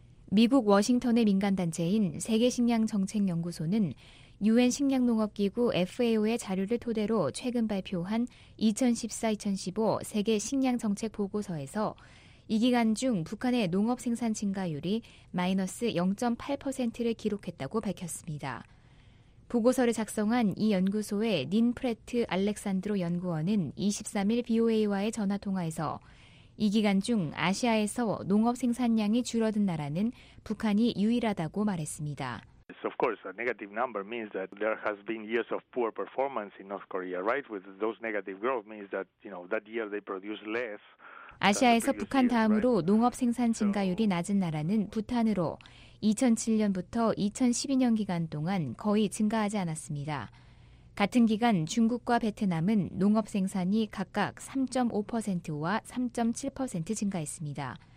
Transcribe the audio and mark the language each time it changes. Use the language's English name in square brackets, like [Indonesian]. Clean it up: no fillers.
[Korean] 미국 워싱턴의 민간단체인 세계식량정책연구소는 UN 식량농업기구 FAO의 자료를 토대로 최근 발표한 2014-2015 세계식량정책보고서에서 이 기간 중 북한의 농업 생산 증가율이 -0.8%를 기록했다고 밝혔습니다. 보고서를 작성한 이 연구소의 닌 프레트 알렉산드로 연구원은 23일 BOA와의 전화통화에서 이 기간 중 아시아에서 농업 생산량이 줄어든 나라는 북한이 유일하다고 말했습니다. [English] Of course, a negative number means that there has been years of poor performance in North Korea, right? With those negative growth means that, you know, that year they produce less. [Korean] 아시아에서 북한 다음으로 농업 생산 증가율이 낮은 나라는 부탄으로 2007년부터 2012년 기간 동안 거의 증가하지 않았습니다. 같은 기간 중국과 베트남은 농업 생산이 각각 3.5%와 3.7% 증가했습니다.